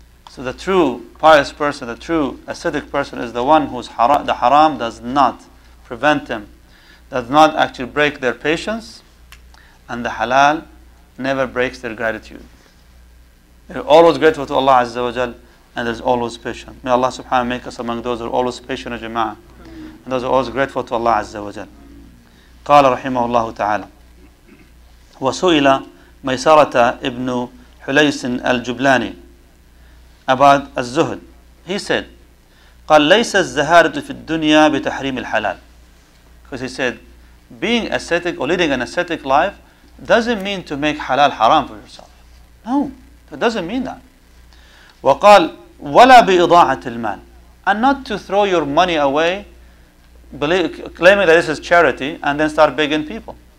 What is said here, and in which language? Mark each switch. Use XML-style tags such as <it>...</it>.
<en>So the true pious person, the true ascetic person is the one whose haram does not prevent them, does not actually break their patience, and the halal never breaks their gratitude. They're always grateful to Allah Azza wa Jal, and there's always patience. May Allah subhanahu wa ta'ala make us among those who are always patient, jama'ah, and those who are always grateful to Allah Azza wa Jal.</en> <ar>Qala rahimahu Allah ta'ala. وَسُئِلَ مَيْسَرَةَ إِبْنُ حُلَيْسٍ الْجُبْلَانِ</ar> <en>about</en> <ar>الزُّهْد.</ar> <en>He said,</en> <ar>قَالْ لَيْسَ الزَّهَارَةُ فِي الدُّنْيَا بِتَحْرِيمِ الْحَلَالِ.</ar> <en>Because he said, being ascetic or leading an ascetic life doesn't mean to make halal haram for yourself. No, it doesn't mean that.</en> <ar>وَقَالْ وَلَا بِإِضَاعَةِ الْمَالِ,</ar> <en>and not to throw your money away claiming that this is charity and then start begging people.</en>